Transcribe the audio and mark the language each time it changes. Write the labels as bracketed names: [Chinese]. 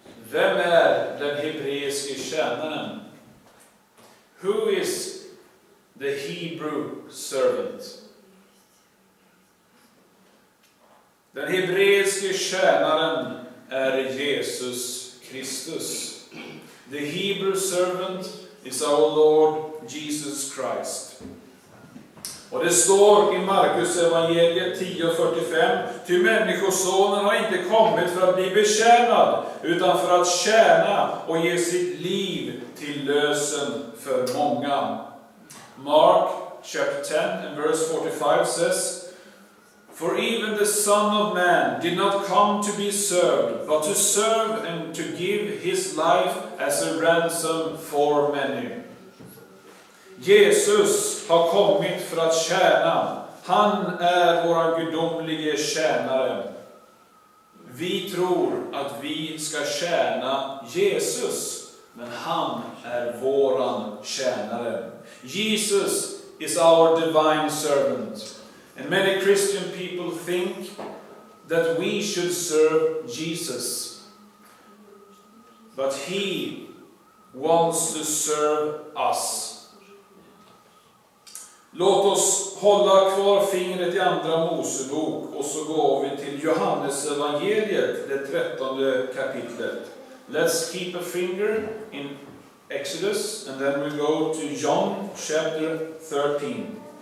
[Swedish] Vem är den hebreiske tjänaren? [English] Who is the Hebrew servant? [Swedish] Den hebreiske tjänaren är Jesus Kristus. [English] The Hebrew servant is our Lord Jesus Christ. [Swedish] Och det står i Markus evangeliet 10:45, ty människosonen har inte kommit för att bli betjänad, utan för att tjäna och ge sitt liv till lösen för många. [English] Mark chapter 10 and verse 45 says, for even the Son of Man did not come to be served, but to serve and to give his life as a ransom for many. [Swedish] Jesus har kommit för att tjäna. Han är vår gudomlige tjänare. Vi tror att vi ska tjäna Jesus, men han är våran tjänare. [English] Jesus is our divine servant. And many Christian people think that we should serve Jesus. But he wants to serve us. [Swedish] Låt oss hålla kvar fingret i andra Mosebok och så går vi till Johannes evangeliet, det 13:e kapitlet. [English] Let's keep a finger in Exodus and then we go to John chapter 13.